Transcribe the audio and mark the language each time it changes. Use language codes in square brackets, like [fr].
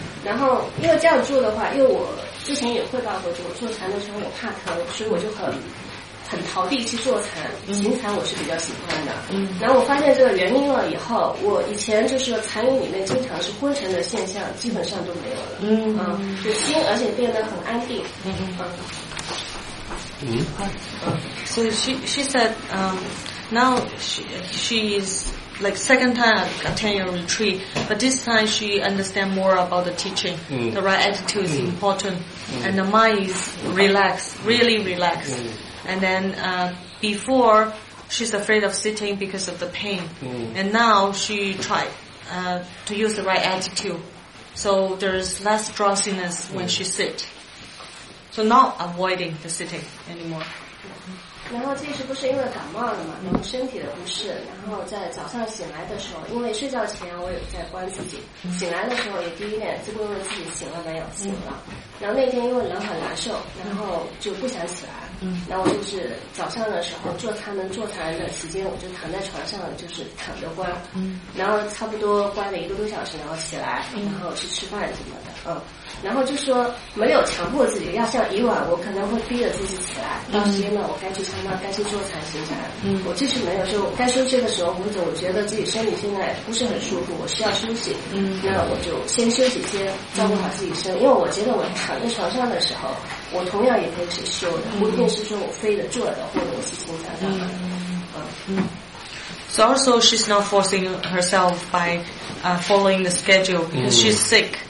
[zh] 然后因为这样做的话，因为我之前也汇报过，就我做禅的时候我怕疼，所以我就很逃避去做禅，行禅我是比较喜欢的。然后我发现这个原因了以后，我以前就是禅里面经常是昏沉的现象基本上都没有了，就心而且变得很安定。 [en] So she said, now she is like second time attend your retreat, but this time she understand more about the teaching. The right attitude is important, and the mind is relaxed, really relaxed. And then before she's afraid of sitting because of the pain, and now she tried to use the right attitude, so there's less drowsiness when she sits.So not avoiding the sitting anymore. [zh] 然后这次不是因为感冒了嘛，然后身体的不适，然后在早上醒来的时候，因为睡觉前我有在关自己，醒来的时候也第一眼就问问自己醒了没有，醒了。然后那天因为人很难受，然后就不想起来。然后就是早上的时候坐禅的时间，我就躺在床上就是躺着关，然后差不多关了一个多小时，然后起来，然后去吃饭什么的，然后就说没有强迫自己，要像以往我可能会逼着自己起来，到时间了我该去上班，该去坐禅行禅，我就是没有，就该休息的时候或者我觉得自己身体现在不是很舒服，我需要休息，那我就先休息，先照顾好自己身，因为我觉得我躺在床上的时候我同样也可以去休的，不一定是说我非得坐着或者我去行禅的。 [en] So also she's not forcing herself by following the schedule because she's sick.